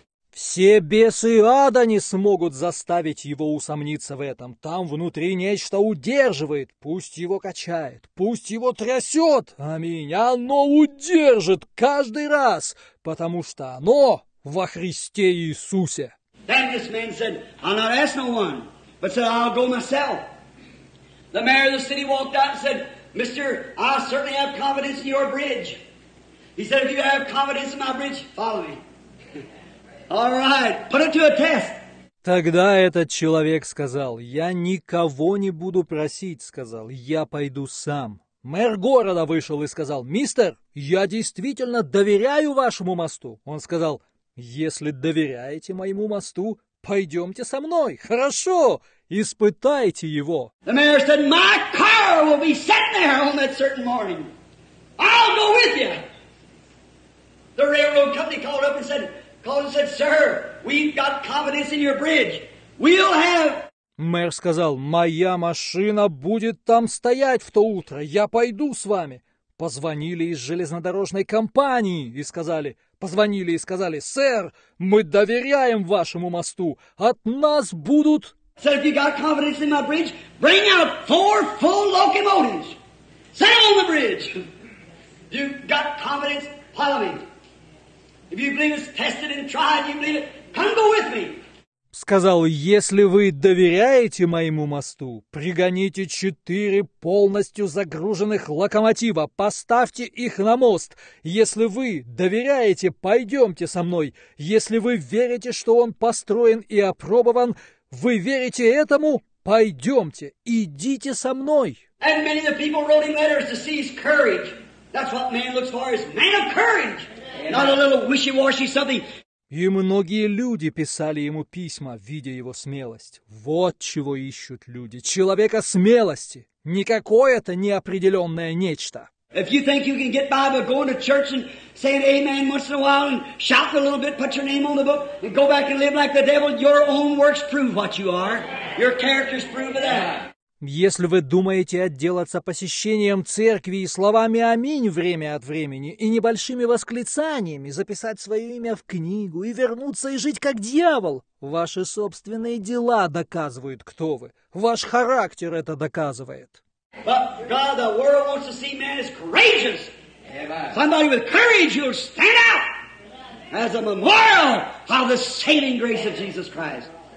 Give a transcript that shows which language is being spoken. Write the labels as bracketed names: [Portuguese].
[Russian] Все бесы ада не смогут заставить его усомниться в этом. Там внутри нечто удерживает, пусть его качает, пусть его трясет, аминь, оно удержит каждый раз, потому что оно во Христе Иисусе. [English] Then this man said, I'll not ask no one, but said, I'll go myself. The mayor of the city walked out and said, Mister, I certainly have confidence in your bridge. He said, if you have confidence in my bridge, follow me. All right, put it to a test. [Russian] Тогда этот человек сказал, я никого не буду просить, сказал, я пойду сам. Мэр города вышел и сказал, мистер, я действительно доверяю вашему мосту. Он сказал, если доверяете моему мосту, пойдемте со мной. Хорошо, испытайте его. [English] The mayor said, my car will be sitting there on that certain morning. I'll go with you. The railroad company called up and said, sir, we've got confidence in your bridge. We'll have... [Russian] Мэр сказал, моя машина будет там стоять в то утро, я пойду с вами. Позвонили из железнодорожной компании и сказали, сэр, мы доверяем вашему мосту, от нас будут... [English] Said, if you got confidence in my bridge, bring out 4 full locomotives. Set them on the bridge. If you got confidence, follow me. If you believe it's tested and tried, you believe it, come go with me. [Russian] Сказал, если вы доверяете моему мосту, пригоните 4 полностью загруженных локомотива, поставьте их на мост. Если вы доверяете, пойдемте со мной. Если вы верите, что он построен и опробован, вы верите этому, пойдемте, идите со мной. [English] And many of the people wrote him letters to see his courage. That's what man looks for, is man of courage. Not a little wishy-washy something. [Russian] И многие люди писали ему письма, видя его смелость. Вот чего ищут люди. Человека смелости. Не какое-то неопределенное нечто. [English] If you think you can get by by going to church and saying amen once in a while and shout a little bit, put your name on the book, and go back and live like the devil, your own works prove what you are. Your character's proof of that. [Russian] Если вы думаете отделаться посещением церкви и словами «Аминь» время от времени и небольшими восклицаниями записать свое имя в книгу и вернуться и жить как дьявол, ваши собственные дела доказывают, кто вы. Ваш характер это доказывает. [English] But God, the world wants to see man as courageous. Somebody with courage, you'll stand out as a memorial of the saving grace of Jesus Christ.